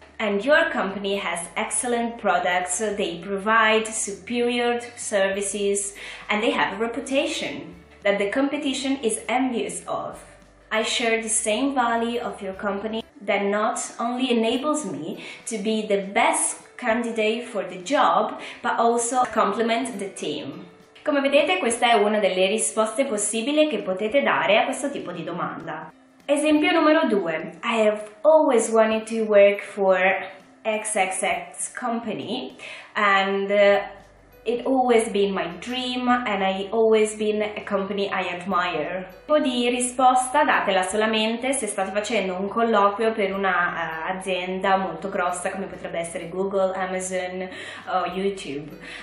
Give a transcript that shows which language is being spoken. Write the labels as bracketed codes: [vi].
[en] And your company has excellent products, they provide superior services and they have a reputation that the competition is envious of. I share the same value of your company that not only enables me to be the best candidate for the job, but also compliment the team. [it] Come vedete, questa è una delle risposte possibili che potete dare a questo tipo di domanda. Esempio numero 2. [en] I have always wanted to work for XXX company and it always been my dream and I always been a company I admire. [it] Tipo di risposta datela solamente se state facendo un colloquio per una azienda molto grossa come potrebbe essere Google, Amazon o YouTube.